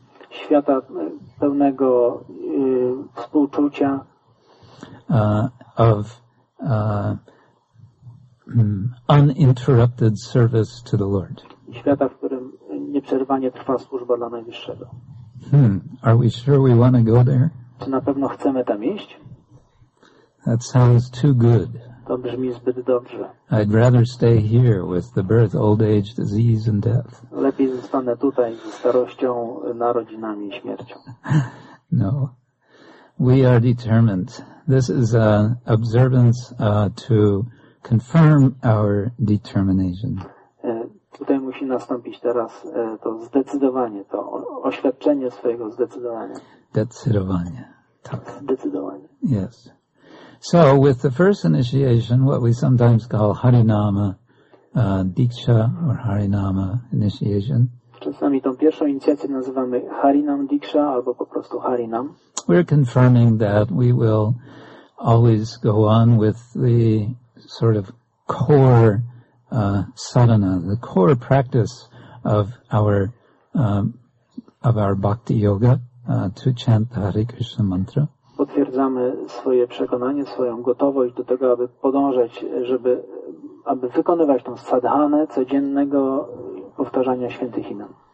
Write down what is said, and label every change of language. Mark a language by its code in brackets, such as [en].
[pl] Świata pełnego współczucia. [en] Of uninterrupted service to the Lord. [pl] Świata, w którym nieprzerwanie trwa służba dla Najwyższego. [en] Are we sure we want to go there? [pl] Czy na pewno chcemy tam iść? [en] That sounds too good. [pl] To brzmi zbyt dobrze. [en] I'd rather stay here with the birth, old age, disease and death. [pl] Lepiej zostanę tutaj ze starością, narodzinami i śmiercią. [en] No. We are determined. This is an observance to confirm our determination. [pl] Tutaj musi nastąpić teraz to zdecydowanie, to oświadczenie swojego zdecydowania. Decydowanie, tak. Zdecydowanie. [en] Yes. So with the first initiation, what we sometimes call Harinama, Diksha or Harinama initiation. [pl] Czasami tą pierwszą inicjację nazywamy Harinam Diksha albo po prostu Harinam. [en] We're confirming that we will always go on with the sort of core sadhana, the core practice of our bhakti yoga, to chant the Hare Krishna mantra. [pl] Potwierdzamy swoje przekonanie, swoją gotowość do tego, aby podążać, aby wykonywać tą sadhanę codziennego powtarzania świętych imion.